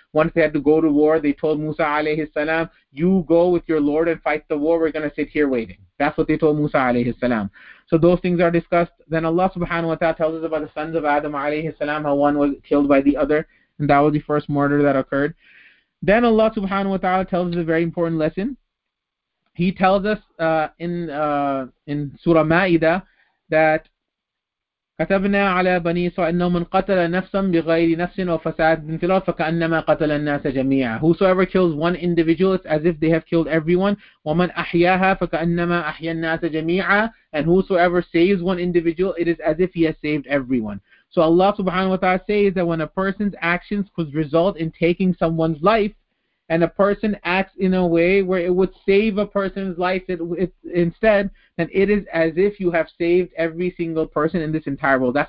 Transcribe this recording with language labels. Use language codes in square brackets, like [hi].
[en] Once they had to go to war, they told Musa alayhi salam, "You go with your Lord and fight the war. We're going to sit here waiting." That's what they told Musa alayhi salam. So those things are discussed. Then Allah subhanahu wa ta'ala tells us about the sons of Adam alayhi salam, how one was killed by the other, and that was the first murder that occurred. Then Allah subhanahu wa ta'ala tells us a very important lesson. [ar] He tells us in Surah Ma'idah that كَتَبْنَا عَلَى بَنِي سَوَأَنَّ مَنْ قَتَلَ نَفْسًا بِغَيْرِ نَفْسٍ وَفَسَادٍ فِي الْأَرْضِ فَكَأَنَّمَا قَتَلَ النَّاسَ جَمِيعًا. [en] Whosoever kills one individual, it's as if they have killed everyone. [ar] وَمَنْ أَحْيَاهَا فَكَأَنَّمَا أَحْيَا النَّاسَ جَمِيعًا. [en] And whosoever saves one individual, it is as if he has saved everyone. So Allah subhanahu wa ta'ala says that when a person's actions could result in taking someone's life, and a person acts in a way where it would save a person's life instead, then it is as if you have saved every single person in this entire world.